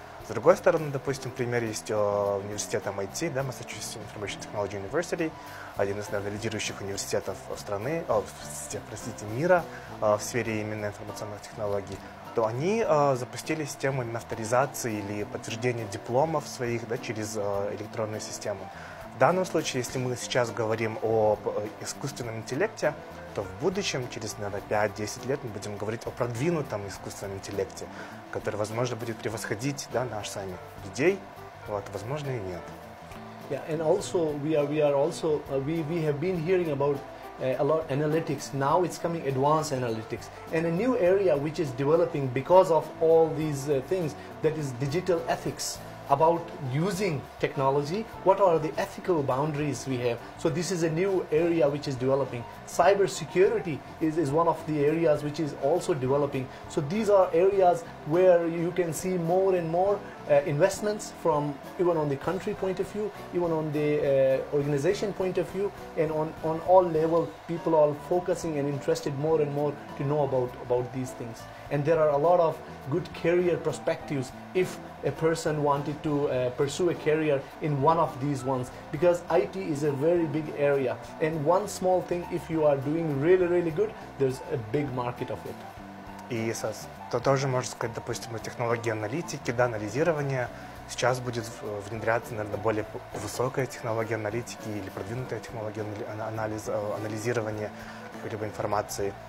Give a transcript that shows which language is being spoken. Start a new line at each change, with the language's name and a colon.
Russian: С другой стороны, допустим, пример есть университет MIT, да, Massachusetts Information Technology University, один из, наверное, лидирующих университетов страны, мира в сфере именно информационных технологий, то они запустили систему именно авторизации или подтверждения дипломов своих, да, через электронную систему. В данном случае, если мы сейчас говорим об искусственном интеллекте, то в будущем, через, наверное, 5-10 лет, мы будем говорить о продвинутом искусственном интеллекте, который, возможно, будет превосходить, да, наш сами людей, вот, возможно, и нет.
English: Yeah, and also we have been hearing about a lot of analytics. Now it's coming advanced analytics. And a new area which is developing because of all these things, that is digital ethics. About using technology, what are the ethical boundaries we have? So this is a new area which is developing. Cybersecurity is one of the areas which is also developing. So these are areas where you can see more and more investments from even on the country point of view, even on the organization point of view, and on all level, people are focusing and interested more and more to know about these things. And there are a lot of good career perspectives if a person wanted to pursue a career in one of these ones, because IT is a very big area. And one small thing, if you are doing really, really good, there's a big market of it.
Russian: И это тоже можно сказать, допустим, о технологии аналитики, да, анализирования. Сейчас будет внедряться, наверное, более высокая технология аналитики или продвинутая технология анализирования какой-либо информации.